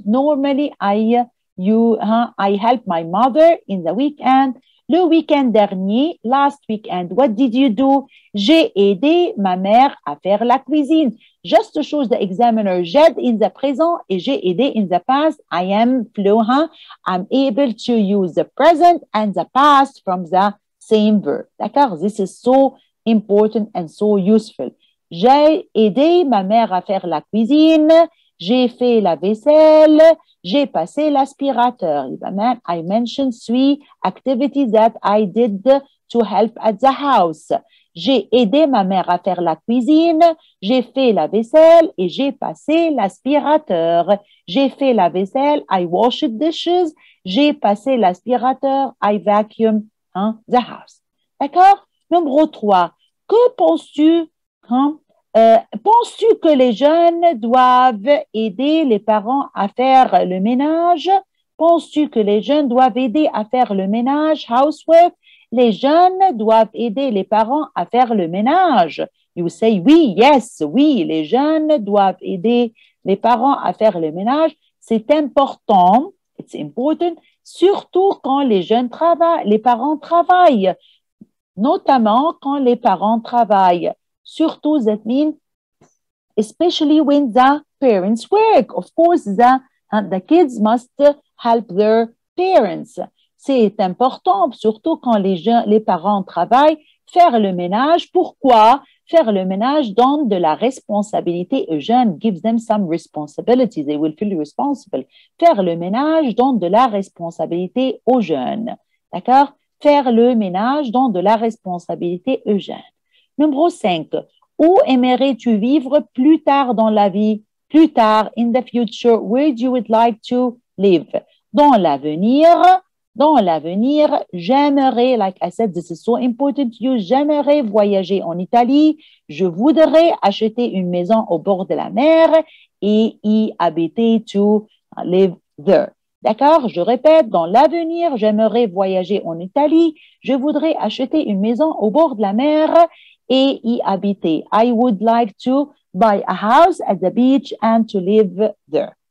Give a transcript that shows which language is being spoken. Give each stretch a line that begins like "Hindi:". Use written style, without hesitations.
English: Normally, I help my mother in the weekend.
French: Le week-end dernier,
English: last weekend, what did you do?
French: J'ai aidé ma mère à faire la cuisine.
English: Just to show the examiner, j'aide in the present et j'ai aidé in the past. I am fluent. I'm able to use the present and the past from the same verb. D'accord? This is so important and so useful.
French: J'ai aidé ma mère à faire la cuisine. J'ai fait la vaisselle. J'ai passé l'aspirateur.
English: I mentioned 3 activities that I did to help at the house.
French: J'ai aidé ma mère à faire la cuisine. J'ai fait la vaisselle et j'ai passé l'aspirateur. J'ai fait la vaisselle.
English: I washed dishes.
French: J'ai passé l'aspirateur.
English: I vacuumed the house.
French: D'accord? Numéro 3, que penses-tu Penses-tu que les jeunes doivent aider les parents à faire le ménage? Penses-tu que les jeunes doivent aider à faire le ménage, housework? Les jeunes doivent aider les parents à faire le ménage.
English: You say
French: oui, yes, oui, les jeunes doivent aider les parents à faire le ménage. C'est important,
English: it's important,
French: surtout quand les jeunes travaillent, les parents travaillent, notamment quand les parents travaillent.
English: Surtout, that means, especially when the parents work. Of course, the kids must help their parents.
French: C'est important, surtout quand les parents travaillent, faire le ménage. Pourquoi? Faire le ménage donne de la responsabilité aux jeunes.
English: Gives them some responsibility. They will feel responsible.
French: Faire le ménage donne de la responsabilité aux jeunes. D'accord? Faire le ménage donne de la responsabilité aux jeunes. Numéro 5. Où aimerais-tu vivre plus tard dans la vie? Plus tard,
English: in the future, where do you would like to live?
French: Dans l'avenir. Dans l'avenir, j'aimerais,
English: like I said, this is so important to you,
French: j'aimerais voyager en Italie, je voudrais acheter une maison au bord de la mer et y habiter
English: to live there.
French: D'accord? Je répète, dans l'avenir, j'aimerais voyager en Italie, je voudrais acheter une maison au bord de la mer et y habiter.
English: I would like to buy a house at the beach and to live there.